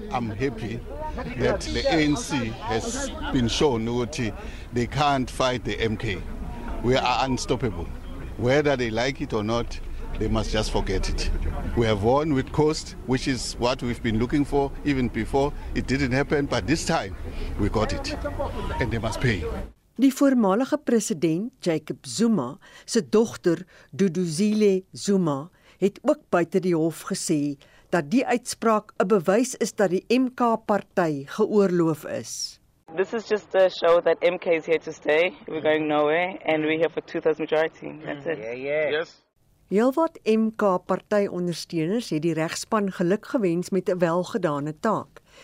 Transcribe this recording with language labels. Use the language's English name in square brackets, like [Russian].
[English] I'm happy that the ANC has been shown that they can't fight the MK. We are unstoppable. Whether they like it or not, they must just forget it. We have won with cost, which is what we've been looking for even before. It didn't happen, but this time we got it. And they must pay. [Afrikaans] Die voormalige president Jacob Zuma se dogter Duduzile Zuma het ook buite die hof gesê dat die uitspraak 'n bewys is dat die MK-party geoorloof is. [English] This is just a show that MK is here to stay. We're going nowhere and we're here for 2000 majority. That's it. Yeah, yeah. Yes. [Afrikaans] Heelwat MK-party ondersteuners het die regspan geluk gewens met 'n welgedane taak.